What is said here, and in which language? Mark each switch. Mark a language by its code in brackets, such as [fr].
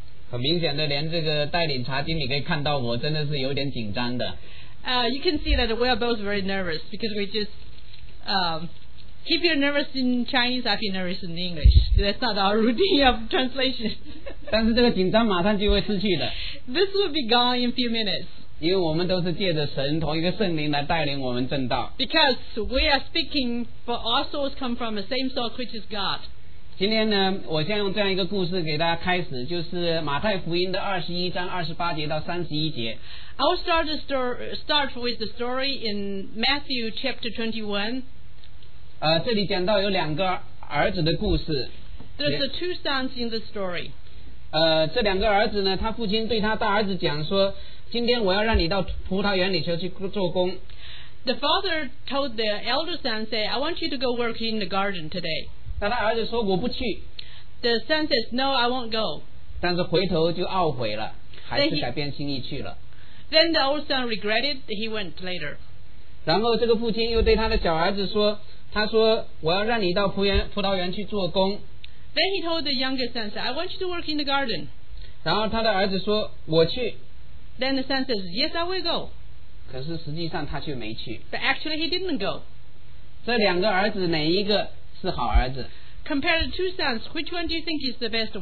[zh] 很明显的，连这个带领查经，你可以看到我真的是有点紧张的。 [en] You can see that we are both very nervous because we just keep you nervous in Chinese, I feel nervous in English. That's not our routine of translation. [zh] 但是这个紧张马上就会失去的。 [en] This will be gone in a few minutes. [zh] 因为我们都是借着神同一个圣灵来带领我们正道。 [en] Because we are speaking, but our souls come from the same soul, which is God. [zh] 今天呢，我先用这样一个故事给大家开始，就是马太福音的21:28-31. [en] I will start with the story in Matthew chapter 21. [zh] 这里讲到有两个儿子的故事。 [en] There's the two sons in the story. [zh] 这两个儿子呢，他父亲对他大儿子讲说，今天我要让你到葡萄园里去做工。 [en] The father told the elder son, say, I want you to go work in the garden today. [zh] 但他儿子说我不去。 [en] The son says, no, I won't go. [zh] 但是回头就懊悔了，还是改变心意去了。 [en] Then the old son regretted that he went later. [zh] 然后这个父亲又对他的小儿子说，他说我要让你到葡萄园去做工。 [en] Then he told the youngest son, I want you to work in the garden. [zh] 然后他的儿子说我去。 [en] Then the son says, yes, I will go. [zh] 可是实际上他却没去。 [en] But actually he didn't go. [zh] 这两个儿子哪一个是好儿子？ [en] Compared to two sons, which one do you think is the best one?